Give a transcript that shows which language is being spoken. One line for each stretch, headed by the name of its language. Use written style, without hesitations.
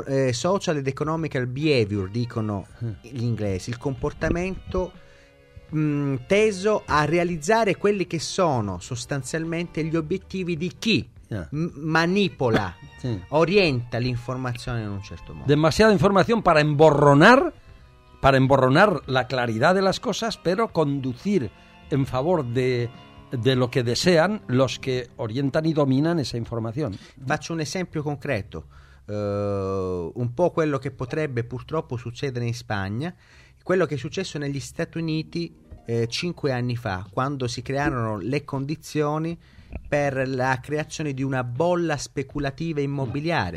Italian: social ed economico, il behavior, dicono gli inglesi, il comportamento teso a realizzare quelli che sono sostanzialmente gli obiettivi di chi manipola, orienta l'informazione in un certo modo.
Spanish: Demasiada información para emborronar. Para emborronar la claridad de las cosas, pero conducir en favor de lo que desean los que orientan y dominan esa información.
Italian: Faccio un esempio concreto, un po' quello che potrebbe purtroppo succedere in Spagna, quello che è successo negli Stati Uniti cinque anni fa, quando si crearono le condizioni per la creazione di una bolla speculativa immobiliare.